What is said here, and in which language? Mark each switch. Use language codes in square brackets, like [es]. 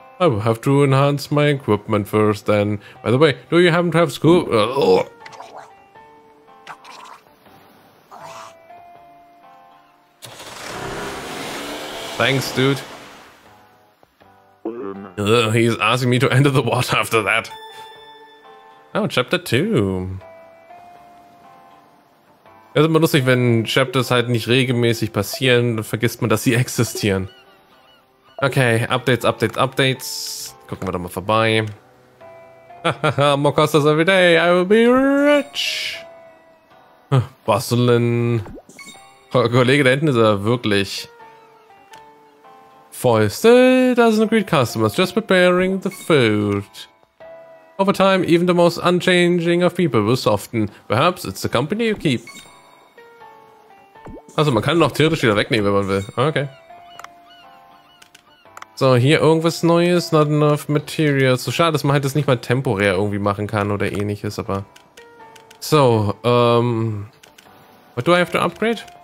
[en] I will have to enhance my equipment first then. By the way, do you happen to have school? Thanks, dude. He's asking me to enter the water after that. Oh, Chapter 2. [de] Es ist immer lustig, wenn Chapters halt nicht regelmäßig passieren, dann vergisst man, dass sie existieren. Okay, Updates, Updates, Updates. Gucken wir da mal vorbei. [en] More costas every day, I will be rich. Basteln. [de] Kollege, da hinten ist er wirklich... [en] Foil still doesn't greet customers, just preparing the food. Over time, even the most unchanging of people will soften. Perhaps it's the company you keep. [de] Also, man kann noch theoretisch wieder wegnehmen, wenn man will. Okay. So, hier irgendwas Neues. [en] Not enough materials. [de] So schade, dass man halt das nicht mal temporär irgendwie machen kann oder ähnliches, aber... [en] So, what do I have to upgrade?